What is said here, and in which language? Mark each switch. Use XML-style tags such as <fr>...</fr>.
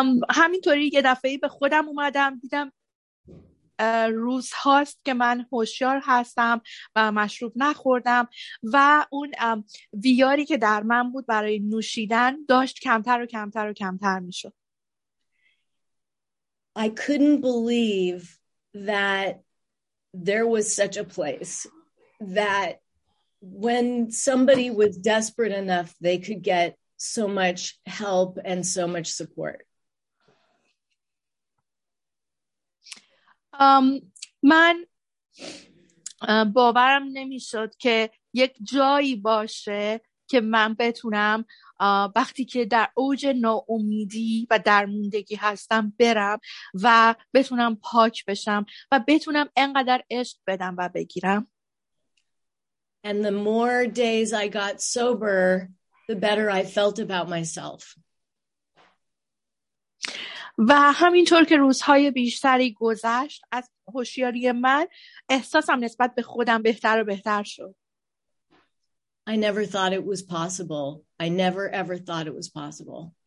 <fa>همینطوری یه دفعه به خودم اومدم، دیدم روز هاست که من هوشیار هستم و مشروب نخوردم و اون ویاری که در من بود برای نوشیدن داشت کمتر و کمتر و کمتر میشد.</fa> <en>I couldn't believe that there was such a place that when somebody was desperate enough they could get so much help and so much support.</en> <fa>من باورم نمیشد که یک جایی باشه که من بتونم وقتی که در اوج ناامیدی و درموندگی هستم برم و بتونم پاک بشم و بتونم انقدر عشق بدم و بگیرم.</fa> <en>And the more days I got sober, the better I felt about myself.</en> <fa>و همینطور که روزهای بیشتری گذشت از هوشیاری من احساسم نسبت به خودم بهتر و بهتر شد.</fa> <en>I never thought it was possible. I never ever thought it was possible.</en>